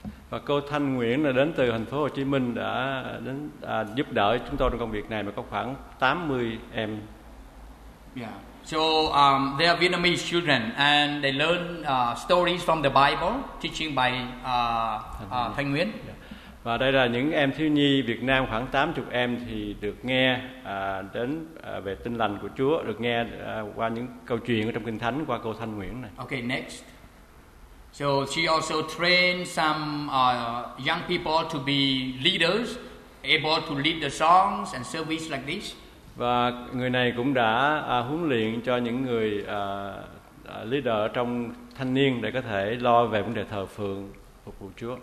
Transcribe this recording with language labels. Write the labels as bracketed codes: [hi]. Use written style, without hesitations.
[vi] Và cô Thanh Nguyễn là đến từ thành phố Hồ Chí Minh đã đến giúp đỡ chúng tôi trong công việc này mà có khoảng 80 em. [en] Yeah. So they are Vietnamese children and they learn stories from the Bible, teaching by Thanh Nguyễn. Yeah. [vi] Và đây là những em thiếu nhi Việt Nam khoảng 80 em thì được nghe đến về tin lành của Chúa, được nghe qua những câu chuyện trong Kinh Thánh qua cô Thanh Nguyễn này. [en] Okay, next. So she also trained some young people to be leaders, able to lead the songs and service like this. [vi] Và người này cũng đã huấn luyện cho những người leader trong thanh niên để có thể lo về vấn đề thờ phượng phục vụ Chúa.